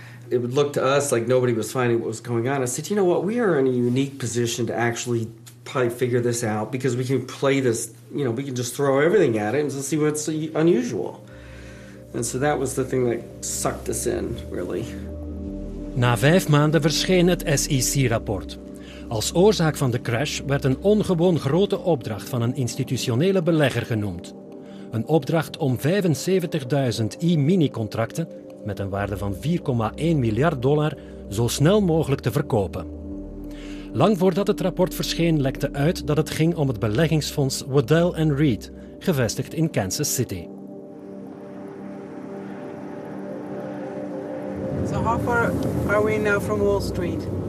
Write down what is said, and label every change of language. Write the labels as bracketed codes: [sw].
[en] It would look to us like nobody was finding what was going on. I said, you know what, we are in a unique position to actually probably figure this out because we can play this, you know, we can just throw everything at it and just see what's unusual. And so that was the thing that sucked us in, really. [nl] Na 5 maanden verscheen het SEC-rapport. Als oorzaak van de crash werd een ongewoon grote opdracht van een institutionele belegger genoemd. Een opdracht om 75.000 e-mini-contracten met een waarde van $4.1 miljard zo snel mogelijk te verkopen. Lang voordat het rapport verscheen, lekte uit dat het ging om het beleggingsfonds Waddell & Reed, gevestigd in Kansas City. [en] So how far are we now from Wall Street?